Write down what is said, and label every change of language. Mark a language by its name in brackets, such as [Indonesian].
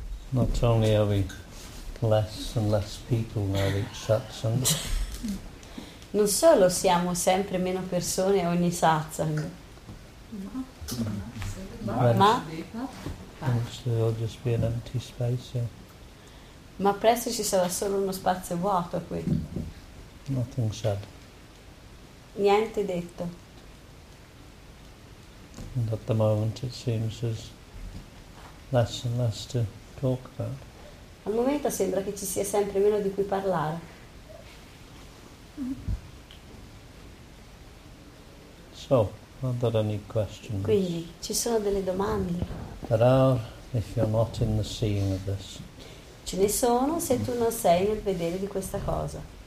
[English] Not only are we less and less people now each satsang. [Italian] Non solo siamo sempre meno persone ogni satsang. [English] Ma there'll just be an empty space here. [Italian] Ma presto ci sarà solo uno spazio vuoto qui. [English] Nothing said. [Italian] Niente detto. [English] And at the moment it seems there's less and less to talk about. [Italian] Al momento sembra che ci sia sempre meno di cui parlare. [English] So, are there any questions? [Italian] Quindi, ci sono delle domande? [English] There are, if you're not in the seeing of this. [Italian] Ce ne sono se tu non sei nel vedere di questa cosa.